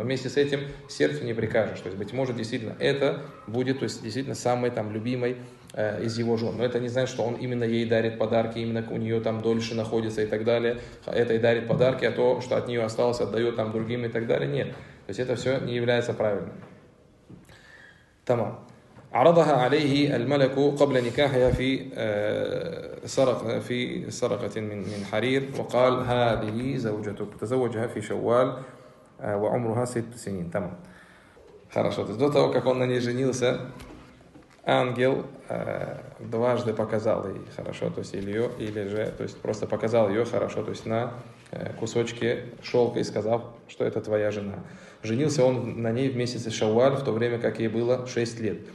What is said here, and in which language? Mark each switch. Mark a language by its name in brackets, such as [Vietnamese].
[Russian] Но вместе с этим сердцу не прикажешь. То есть, быть может, действительно, это будет то есть, действительно самой там, любимой из его жен. Но это не значит, что он именно ей дарит подарки, именно у нее там дольше находится и так далее. Это и дарит подарки, а то, что от нее осталось, отдает там другим и так далее. Нет. То есть это все не является правильным. Тамам. [Arabic] عرضها عليه الملك قبل نكاحها في سرقة في سرقة من حرير وقال هذه زوجتك تزوجها في شوال وعمرها ست سنين تمام хорошо. [Russian] То есть до того, как он на ней женился, ангел дважды показал ей хорошо, то есть или ее, или же, то есть просто показал ее хорошо, то есть на кусочки шелка и сказав, что это твоя жена. Женился он на ней в месяце Шауаль, в то время как ей было 6 лет.